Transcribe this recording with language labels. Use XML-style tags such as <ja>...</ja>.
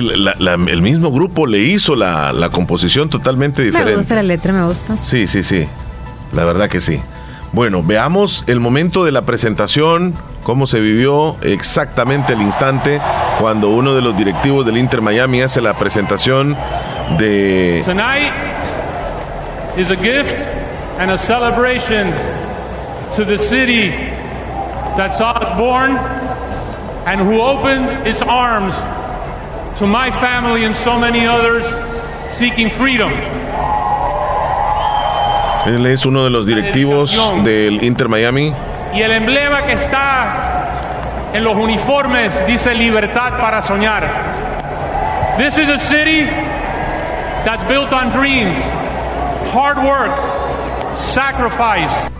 <es>Ahí el mismo grupo le hizo la composición totalmente diferente. Me gusta la letra, me gusta. Sí, sí, sí. La verdad que sí. Bueno, veamos el momento de la presentación, cómo se vivió exactamente el instante cuando uno de los directivos del Inter Miami hace la presentación de...</es> <en>Tonight is a gift and a celebration to the city that saw us born and who opened its arms to my family and so many others seeking freedom.</en> <es>Él es uno de los directivos del Inter Miami. Y el emblema que está en los uniformes dice Libertad para soñar.</es> <en>This is a city that's built on dreams, hard work, sacrifice.</en>